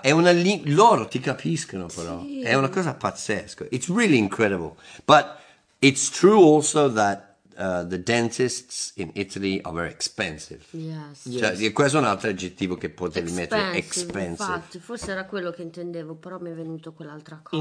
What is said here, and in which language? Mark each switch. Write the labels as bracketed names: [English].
[Italian] È una loro ti capiscono però. Sì. È una cosa pazzesca. [English] It's really incredible. But it's true also that the dentists in Italy are very expensive. Yes. [Italian] Cioè, questo è un altro aggettivo che potevi expensive, mettere. [English] Expensive. [Italian] Infatti, forse era quello che intendevo, però mi è venuto quell'altra cosa.